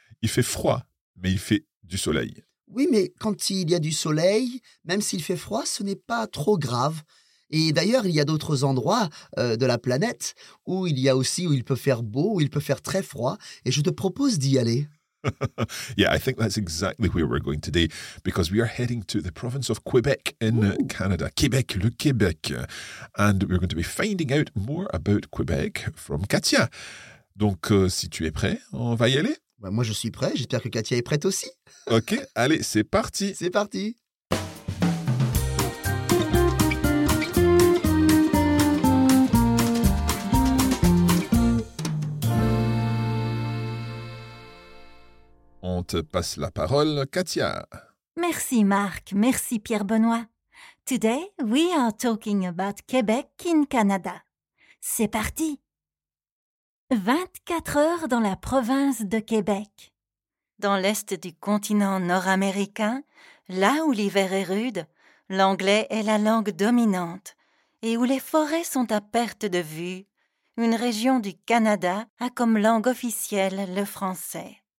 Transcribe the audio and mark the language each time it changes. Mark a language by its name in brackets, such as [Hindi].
[French] Il fait froid, mais il fait du soleil. Oui, mais quand il y a du soleil, même s'il fait froid, ce n'est pas trop grave. Et d'ailleurs, il y a d'autres endroits de la planète où il y a aussi où il peut faire beau, où il peut faire très froid. Et je te propose d'y aller. [English] Yeah, I think that's exactly where we're going today, because we are heading to the province of Quebec in Canada. Québec, le Québec. And we're going to be finding out more about Quebec from Katia. [French] Donc, si tu es prêt, on va y aller. Bah, moi, je suis prêt. J'espère que Katia est prête aussi. OK, allez, c'est parti. C'est parti. Te passe la parole, Katia. Merci, Marc. Merci, Pierre-Benoît. [English] Today, we are talking about Québec in Canada. [French] C'est parti! 24 heures dans la province de Québec. Dans l'est du continent nord-américain, là où l'hiver est rude, l'anglais est la langue dominante et où les forêts sont à perte de vue, une région du Canada a comme langue officielle le français.